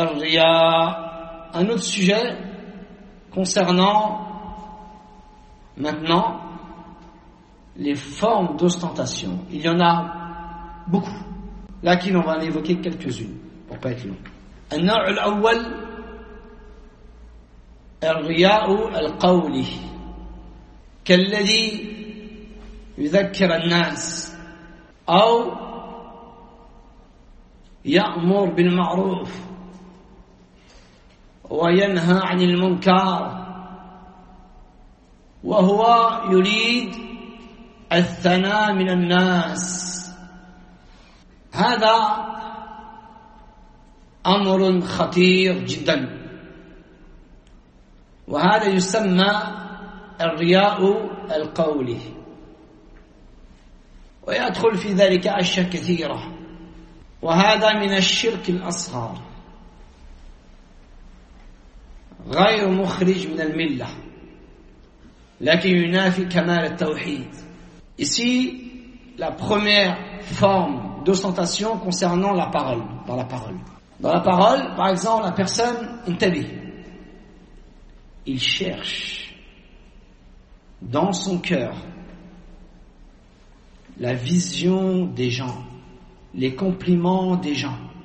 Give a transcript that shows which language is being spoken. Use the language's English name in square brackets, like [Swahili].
[French] Un autre sujet concernant maintenant les formes d'ostentation. Il y en a beaucoup. Là, qu'il en va en évoquer quelques-unes, pour ne pas être long. [Arabic] النوع الأول الرياء القولي كالذي يذكر الناس أو يأمر بالمعروف وينهى عن المنكر وهو يريد الثناء من الناس هذا أمر خطير جدا وهذا يسمى الرياء القولي ويدخل في ذلك أشياء كثيرة وهذا من الشرك الأصغر غير مخرج من الملة لكن ينافي كمال التوحيد. [French] Ici, la première forme d'ostentation concernant la parole, dans la parole. Dans la parole, par exemple, la personne, intabih, il cherche dans son cœur la vision des gens, les compliments des gens.